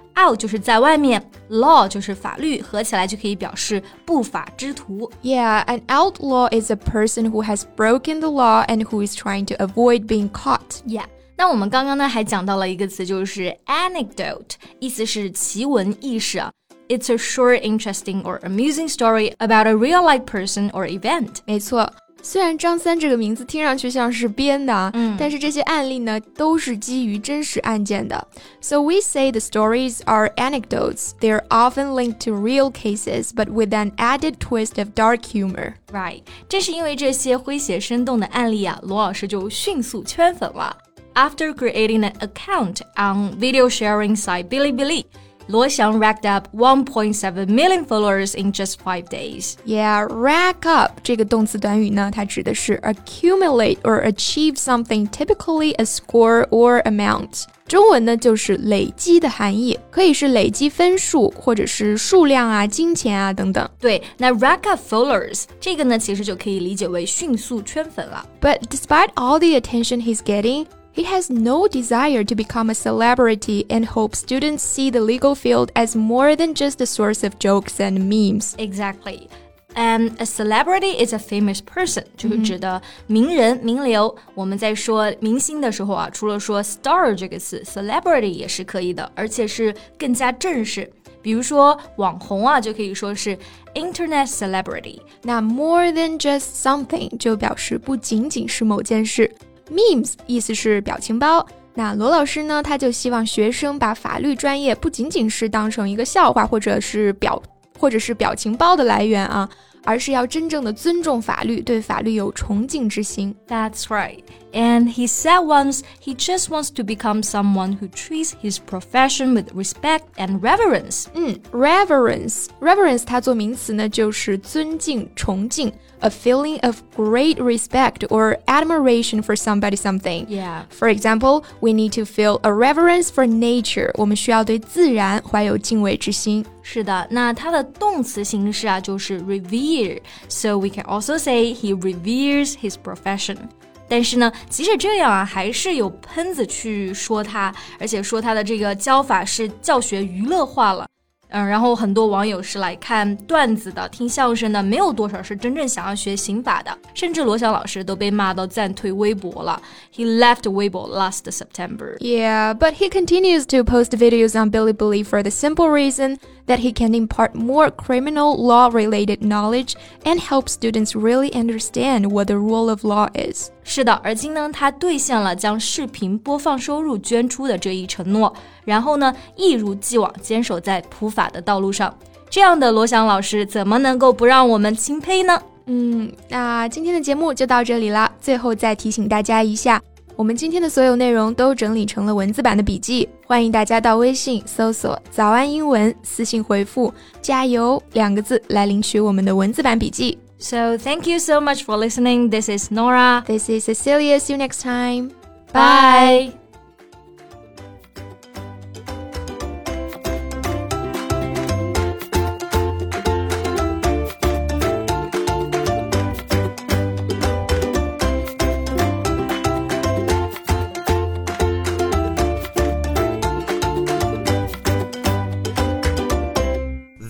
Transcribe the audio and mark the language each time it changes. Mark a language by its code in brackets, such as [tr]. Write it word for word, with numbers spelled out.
[zh] out 就是在外面 law 就是法律，合起来就可以表示不法之徒。 [en] Yeah, an outlaw is a person who has broken the law and who is trying to avoid being caught. Yeah. [zh] 那我们刚刚呢还讲到了一个词，就是 anecdote， 意思是奇闻异事啊。 [en] It's a short, interesting or amusing story about a real-life person or event. [zh] 没错，虽然张三这个名字听上去像是编的啊、嗯、但是这些案例呢都是基于真实案件的。 [en] So we say the stories are anecdotes. They're often linked to real cases, but with an added twist of dark humor. [zh] Right. 正是因为这些诙谐生动的案例啊，罗老师就迅速圈粉了。 [en] after creating an account on video sharing site Bilibili, Luo Xiang racked up one point seven million followers in just five days. Yeah, rack up [zh] 这个动词短语呢，它指的是 [en] accumulate or achieve something, typically a score or amount. [zh] 中文呢就是累积的含义，可以是累积分数，或者是数量啊、金钱啊等等。对，那 rack up followers 这个呢，其实就可以理解为迅速圈粉了。 [en] But despite all the attention he's getting. He has no desire to become a celebrity and hopes students see the legal field as more than just a source of jokes and memes. Exactly. And a celebrity is a famous person, [zh] 就是指的名人、名流。我们在说明星的时候啊，除了说 star 这个词 ,celebrity 也是可以的，而且是更加正式。比如说网红啊，就可以说是 internet celebrity. 那 more than just something 就表示不仅仅是某件事。 Memes 意思是表情包，那罗老师呢，他就希望学生把法律专业不仅仅是当成一个笑话或者是表或者是表情包的来源啊，而是要真正的尊重法律，对法律有崇敬之心。 [en] That's right. And he said once he just wants to become someone who treats his profession with respect and reverence. 嗯 reverence. [zh] Reverence 它做名词呢，就是尊敬、崇敬。 [en] A feeling of great respect or admiration for somebody something. Yeah. For example, we need to feel a reverence for nature. [zh] 我们需要对自然怀有敬畏之心。是的，那它的动词形式啊，就是 revere. [en] So we can also say he reveres his profession. [zh] 但是呢，即使这样啊，还是有喷子去说他，而且说他的这个教法是教学娱乐化了。嗯，然后很多网友是来看段子的，听相声的，没有多少是真正想要学刑法的。甚至罗翔老师都被骂到暂退微博了。 [en] He left Weibo last September. Yeah, but he continues to post videos on Bilibili for the simple reason that he can impart more criminal law-related knowledge and help students really understand what the rule of law is. [zh] 是的，而今呢，他兑现了将视频播放收入捐出的这一承诺，然后呢，一如既往坚守在普法的道路上。这样的罗翔老师怎么能够不让我们钦佩呢？嗯，那今天的节目就到这里了。最后再提醒大家一下，我们今天的所有内容都整理成了文字版的笔记，欢迎大家到微信搜索早安英文，私信回复加油两个字来领取我们的文字版笔记。 [en] So, thank you so much for listening. This is Nora. This is Cecilia. See you next time. Bye. Bye.